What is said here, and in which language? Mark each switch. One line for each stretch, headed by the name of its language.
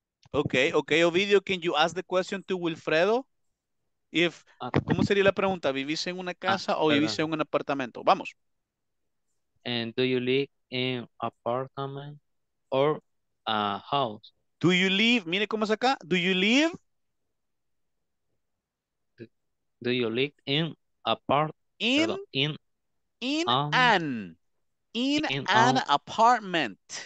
English: Okay, okay, Ovidio, can you ask the question to Wilfredo?
Spanish: If, ¿cómo sería la pregunta? ¿Vivís en una casa o vivís en un apartamento? Vamos.
English: And do you live in apartment or a house? Do you live,
Spanish: mire cómo es acá,
English: do you live? Do you live in apartment? In an apartment.